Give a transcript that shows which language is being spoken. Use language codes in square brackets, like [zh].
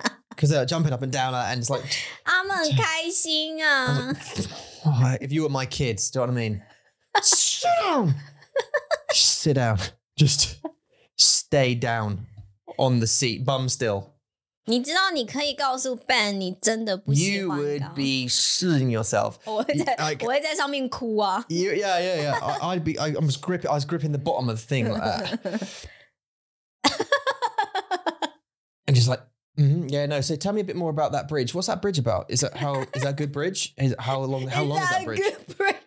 [en] Because they're jumping up and down and it's like... [zh] 他们很开心啊。 [en] Like, if you were my kids, do you know what I mean? Sit down! Sit down. Just stay down on the seat, bum still. [zh] 你知道你可以告诉Ben你真的不喜欢的。 [en] You would be shitting yourself. [zh] 我会在上面哭啊。 [en] Yeah. I was gripping the bottom of the thing like that. And just like, so tell me a bit more about that bridge. What's that bridge about? Is that a good bridge? How long is that bridge? Good bridge?